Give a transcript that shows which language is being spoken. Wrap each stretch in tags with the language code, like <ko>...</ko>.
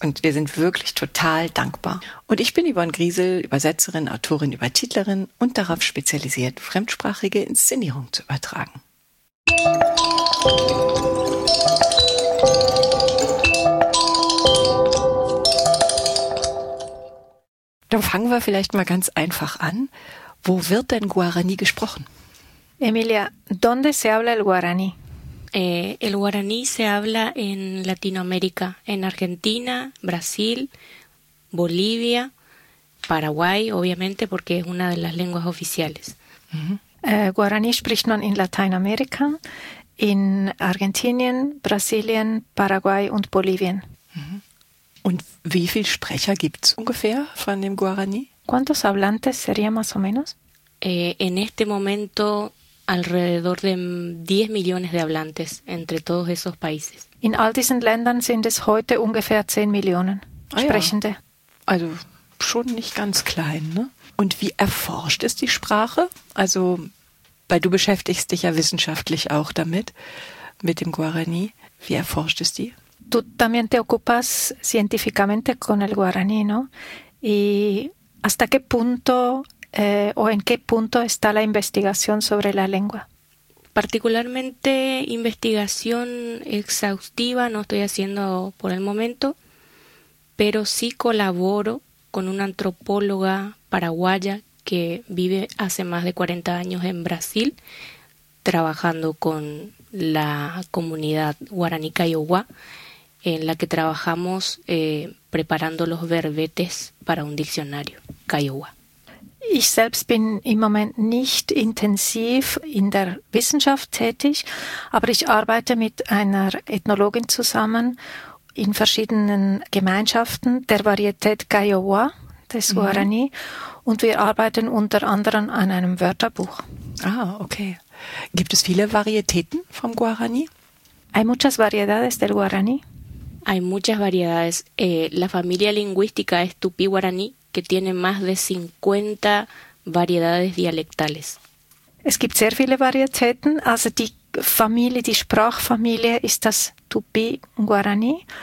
<de>Und wir sind wirklich total dankbar. Und ich bin Yvonne Griesel, Übersetzerin, Autorin, Übertitlerin und darauf spezialisiert, fremdsprachige Inszenierung zu übertragen. Dann fangen wir vielleicht mal ganz einfach an. Wo wird denn Guarani gesprochen?</de> <es>Emilia, ¿dónde se habla el Guarani? El Guarani se habla en Latinoamérica, en Argentina, Brasil, Bolivia, Paraguay, obviamente, porque es una de las lenguas oficiales.</es> <de>Guarani spricht man in Lateinamerika, in Argentinien, Brasilien, Paraguay und Bolivien. Und wie viele Sprecher gibt es ungefähr von dem Guarani?</de> <es>¿Cuántos hablantes sería más o menos? En este momento alrededor de 10 millones de hablantes entre todos esos países.</es> <de>In all diesen Ländern sind es heute ungefähr 10 Millionen Sprechende. Ja. Also schon nicht ganz klein, ne? Und wie erforscht ist die Sprache? Also, weil du beschäftigst dich ja wissenschaftlich auch damit, mit dem Guarani. Wie erforscht es die?</de> <es>Tú también te ocupas científicamente con el guaraní, ¿no? ¿Y hasta qué punto o en qué punto está la investigación sobre la lengua? Particularmente investigación exhaustiva no estoy haciendo por el momento, pero sí colaboro con una antropóloga paraguaya que vive hace más de 40 años en Brasil, trabajando con la comunidad guaraní Kaiowá, en la que trabajamos preparando los verbetes para un diccionario, Kaiowá.</es> <de>Ich selbst bin im Moment nicht intensiv in der Wissenschaft tätig, aber ich arbeite mit einer Ethnologin zusammen in verschiedenen Gemeinschaften der Varietät Kaiowá, des Guarani, und wir arbeiten unter anderem an einem Wörterbuch. Ah, okay. Gibt es viele Varietäten vom Guarani?</de> <es>Hay muchas variedades del Guarani. Hay muchas variedades. La familia lingüística es Tupi-Guaraní, que tiene más de 50 variedades dialectales.</es> <de>Es gibt sehr viele Varietäten. Also die Familie, die Sprachfamilie ist das Tupi-Guaraní.</de>